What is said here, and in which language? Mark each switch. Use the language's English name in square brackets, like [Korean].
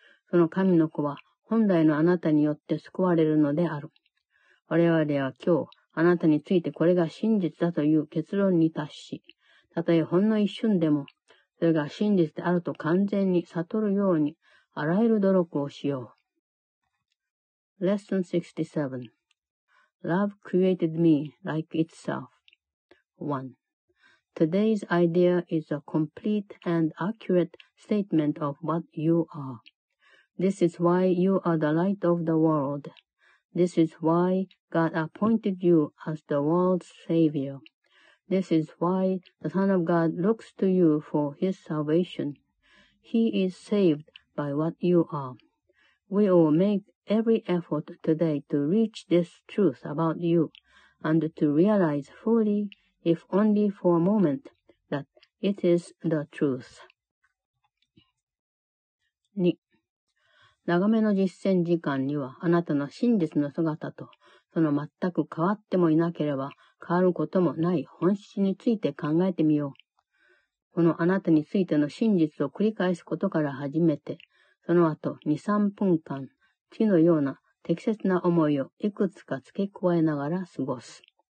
[Japanese] その神の子は本来のあなたによって救われるのである。我々は今日、あなたについてこれが真実だという結論に達し、たとえほんの一瞬でも、それが真実であると完全に悟るように、あらゆる努力をしよう。 [English] Lesson 67 Love created me like itself. 1. Today's idea is a complete and accurate statement of what you are. This is why you are the light of the world. This is why God appointed you as the world's savior. This is why the Son of God looks to you for his salvation. He is saved by what you are. We will make every effort today to reach this truth about you and to realize fully, if only for a moment, that it is the truth. [Japanese] 2. 長めの実践時間にはあなたの真実の姿とその全く変わってもいなければ変わることもない本質について考えてみよう。このあなたについての真実を繰り返すことから始めて、その後2、3分間、次のような適切な思いをいくつか付け加えながら過ごす。